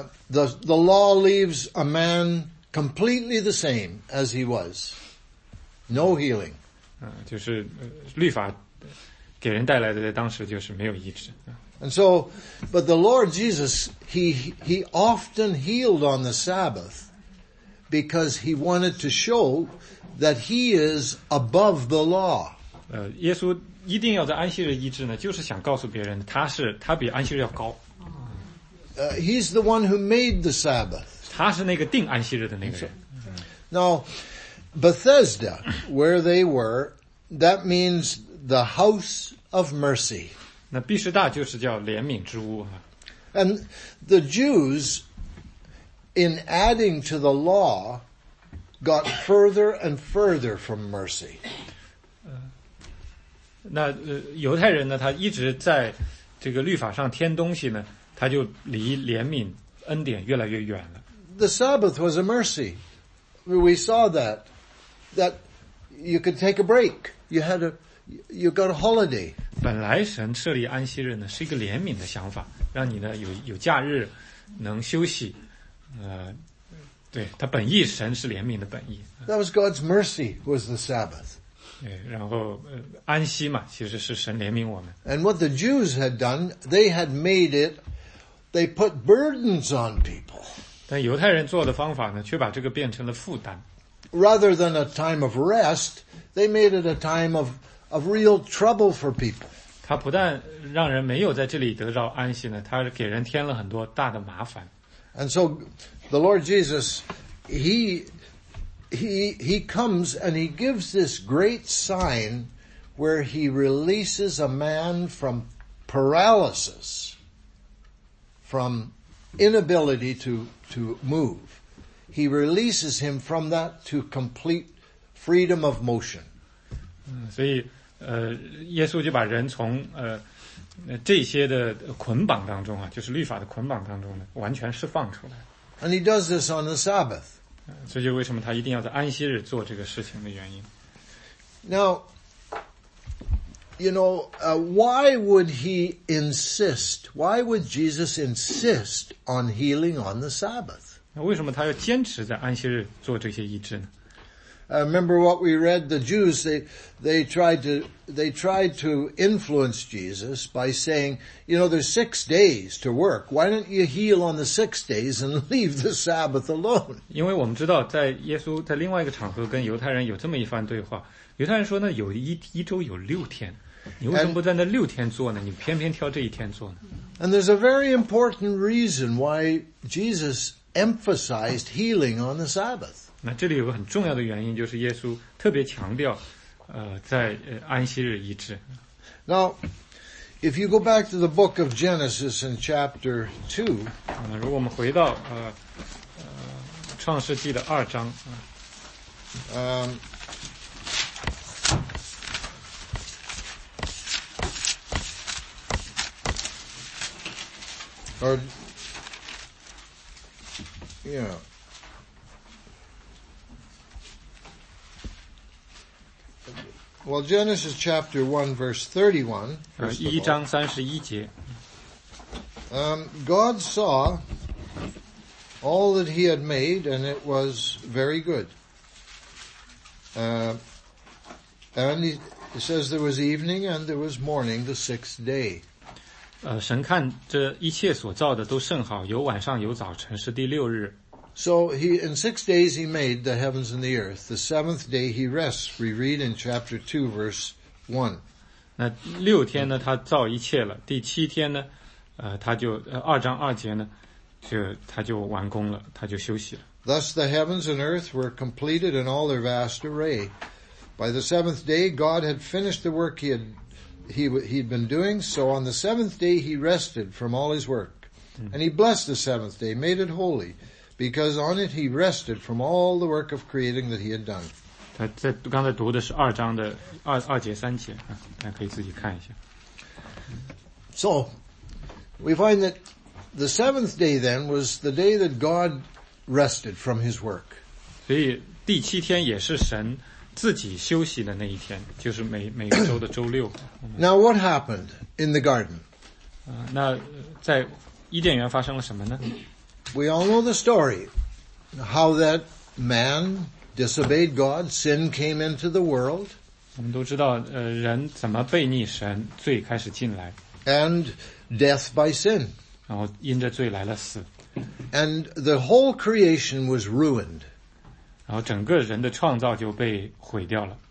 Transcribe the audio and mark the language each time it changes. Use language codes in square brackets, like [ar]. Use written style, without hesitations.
[en] The law leaves a man completely the same as he was. No healing. [zh] 就是律法给人带来的当时就是没有医治。 [en] And so, but the Lord Jesus, he often healed on the Sabbath because he wanted to show that he is above the law. [zh] 耶稣一定要在安息日医治呢，就是想告诉别人他比安息日要高。 [en] He's the one who made the Sabbath. [zh] 他是那个定安息日的那个人。 [en] Now, Bethesda, where they were, that means the house of mercy. [zh] 那毕士大就是叫怜悯之屋。 [en] And the Jews, in adding to the law, got further and further from mercy. [zh] 那犹太人呢，他一直在这个律法上添东西呢，他就离怜悯恩典越来越远了。 [en] The Sabbath was a mercy. We saw that you could take a break. You got a holiday. [zh] 本来神设立安息日呢，是一个怜悯的想法，让你呢有假日能休息。对，他本意神是怜悯的本意。 [en] That was God's mercy. Was the Sabbath. [zh] 然后安息嘛，其实是神怜悯我们。 [en] And what the Jews had done, they had made it. They put burdens on people. [zh] 但犹太人做的方法呢，却把这个变成了负担。 [en] Rather than a time of rest, they made it a time of real trouble for people. [zh] 他不但让人没有在这里得到安息呢，他给人添了很多大的麻烦。 [en] And so, the Lord Jesus, he comes and he gives this great sign where he releases a man from paralysis. From inability to move. He releases him from that to complete freedom of motion. [zh] 所以耶稣就把人从这些的捆绑当中啊，就是律法的捆绑当中呢，完全释放出来。 [en] And he does this on the Sabbath. [zh] 所以就为什么他一定要在安息日做这个事情的原因。 [en] Now, you know, why would he insist, why would Jesus insist on healing on the Sabbath? [zh] 为什么他要坚持在安息日做这些医治呢？ [en] Remember what we read, the Jews, they tried to influence Jesus by saying, you know, there's 6 days to work. Why don't you heal on the 6 days and leave the Sabbath alone? [zh] 因为我们知道在耶稣在另外一个场合跟犹太人有这么一番对话。犹太人说呢，有一周有六天。你为什么不在那六天做呢？你偏偏挑这一天做呢？ [en] And there's a very important reason why Jesus emphasized healing on the Sabbath. [zh] 那这里有个很重要的原因，就是耶稣特别强调，在安息日医治。 [en] Now, if you go back to the book of Genesis in chapter 2, [zh] 那如果我们回到创世纪的二章， [en] Or, yeah. Well, Genesis chapter 1, verse 31. [zh] 1章31节 [en] God saw all that he had made, and it was very good. And he says there was evening and there was morning the sixth day. [zh] 神看这一切所造的都甚好，有晚上有早晨，是第六日。 [en] So he in 6 days he made the heavens and the earth. The seventh day he rests. We read in chapter 2, verse 1. [zh] 那六天呢，他造一切了。第七天呢，他就二章二节呢，就他就完工了，他就休息了。 [en] Thus the heavens and earth were completed in all their vast array. By the seventh day, God had finished the work he'd been doing, so on the seventh day he rested from all his work. And he blessed the seventh day, made it holy, because on it he rested from all the work of creating that he had done. [zh] 这刚才读的是二章的二节三节，大家可以自己看一下。 [en] So, we find that the seventh day then was the day that God rested from his work. [zh] 所以第七天也是神自己休息的那一天，就是每个周的周六。 [en] Now what happened in the garden? [zh] 那在伊甸园发生了什么呢？ [en] We all know the story. How that man disobeyed God, sin came into the world. [zh] 我们都知道人怎么悖逆神，罪开始进来。 [en] And death by sin. [zh] 然后因着罪来了死。 [en] And the whole creation was ruined. [zh] 然后整个人的创造就被毁掉了。